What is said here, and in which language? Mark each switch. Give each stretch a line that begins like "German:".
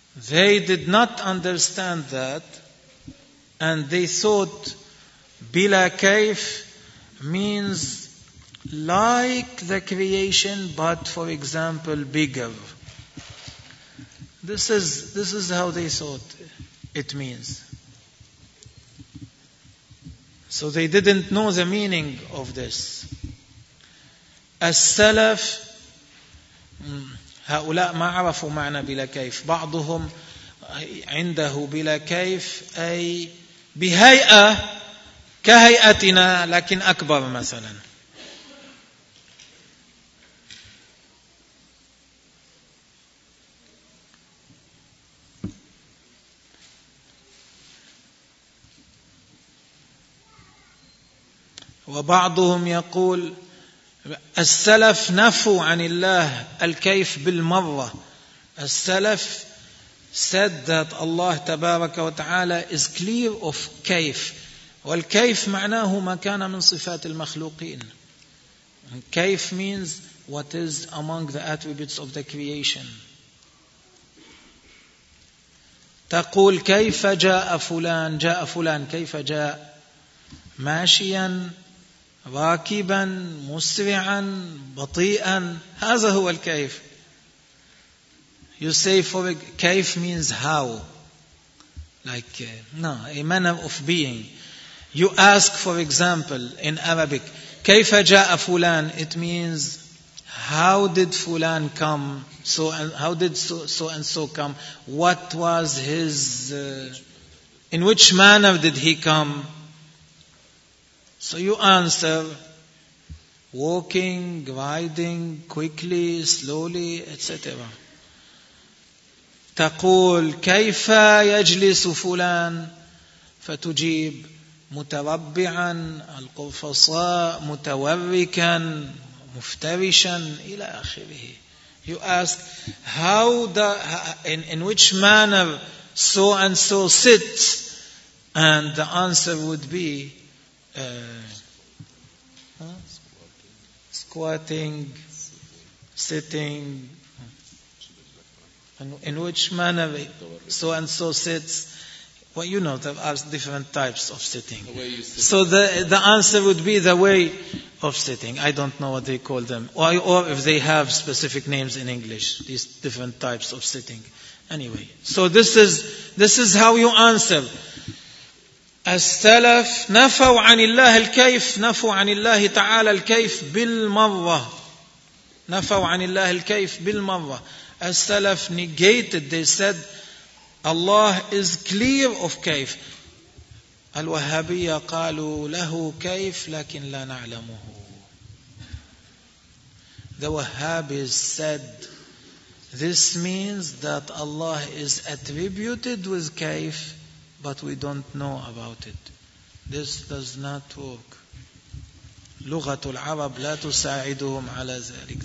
English: They did not understand that, and they thought bila kayf means like the creation, but for example, bigger. This is how they thought it means. So they didn't know the meaning of this.
Arabic: As-salaf, هؤلاء ما عرفوا معنى بلا كيف. بعضهم عنده بلا كيف أي بهيئة كهيئتنا لكن أكبر مثلا. وبعضهم يقول السلف نفوا عن الله الكيف بالمرة. السلف
English: said that Allah
Arabic: تبارك وتعالى
English: is clear of
Arabic: كيف, والكيف معناه ما كان من صفات المخلوقين.
English: And كيف means what is among the attributes of the creation.
Arabic: تقول كيف جاء فلان, جاء فلان كيف جاء, ماشيا راكبا مسرعا بطيئا, هذا هو الكيف.
English: You say for كيف means how, like no, a manner of being. You ask for example in Arabic
Arabic: كيف جاء فلان,
English: it means how did فلان come, so and how did so and so come, what was his in which manner did he come. So you answer, walking, riding, quickly, slowly, etc.
Arabic: تقول كيف يجلس فلان فتجيب متربعا القرفصاء متوركا مفترشا إلى آخره.
English: You ask how in which manner so and so sits, and the answer would be squatting, sitting, in which manner so and so sits. Well, you know, there are different types of sitting. So the answer would be the way of sitting. I don't know what they call them, or if they have specific names in English, these different types of sitting. Anyway, so this is how you answer.
Arabic: السلف نفوا عن الله الكيف, نفوا عن الله تعالى الكيف بالمرة, نفوا عن الله الكيف بالمرة.
English: السلف negated, they said Allah is clear of كيف.
Arabic: الوهابية قالوا له كيف لكن لا نعلمه.
English: The Wahhabis said this means that Allah is attributed with كيف, but we don't know about it. This does not work.
Arabic: لغة العرب لا تساعدهم على ذلك.